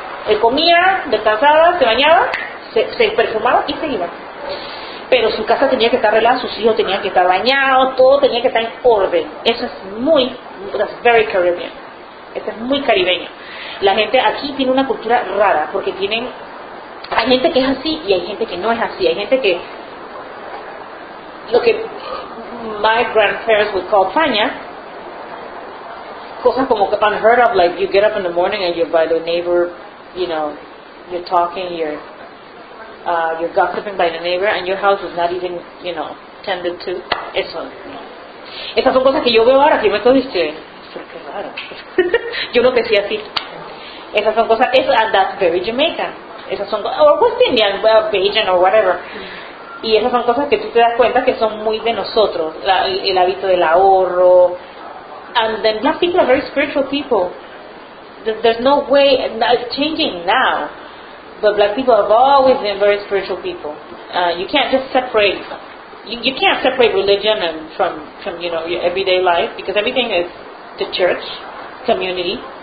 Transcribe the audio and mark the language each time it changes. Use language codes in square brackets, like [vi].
[es] Él comía, descansaba, se bañaba, se perfumaba y se iba. Pero su casa tenía que estar arreglada, sus hijos tenían que estar bañados, todo tenía que estar en orden. Eso es muy, [en] that's very Caribbean. [es] Este es muy caribeño. La gente aquí tiene una cultura rara porque tienen, hay gente que es así y hay gente que no es así. Hay gente que lo que [en] my grandparents would call faña, [es] cosas como [en] unheard of, like you get up in the morning and you're by the neighbor, you know, you're talking, you're gossiping by the neighbor and your house is not even, you know, tended to. [es] Eso, no. Esas son cosas que yo veo ahora que me estoy raro. Yo lo decía así. Esas son cosas, [en] and that's very Jamaican. Esas son cosas, West Indian, Bajan, or whatever. [es] Y esas son cosas que tú te das cuenta que son muy de nosotros. El hábito del ahorro. [en] And then black people are very spiritual people. There's no way, it's changing now. But black people have always been very spiritual people. You can't just separate. You can't separate religion and from you know, your everyday life, because everything is the church, community.